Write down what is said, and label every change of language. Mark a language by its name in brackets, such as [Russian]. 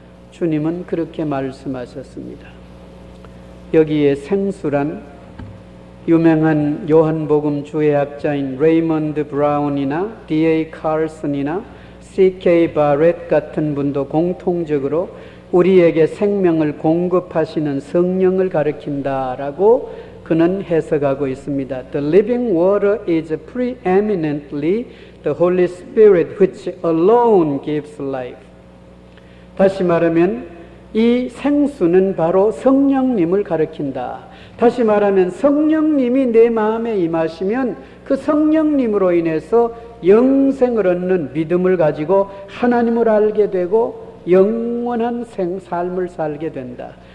[Korean] 주님은 그렇게 말씀하셨습니다. 여기에 생수란 유명한 요한복음 주의학자인 레이먼드 브라운이나 D.A. 칼슨이나 C.K. 바렛 같은 분도 공통적으로 우리에게 생명을 공급하시는 성령을 가리킨다라고 그는 해석하고 있습니다. [English] The living water is preeminently the Holy Spirit which alone gives life. [Korean] 다시 말하면 이 생수는 바로 성령님을 가리킨다. 다시 말하면 성령님이 내 마음에 임하시면 그 성령님으로 인해서 영생을 얻는 믿음을 가지고 하나님을 알게 되고 영원한 삶을 살게 된다.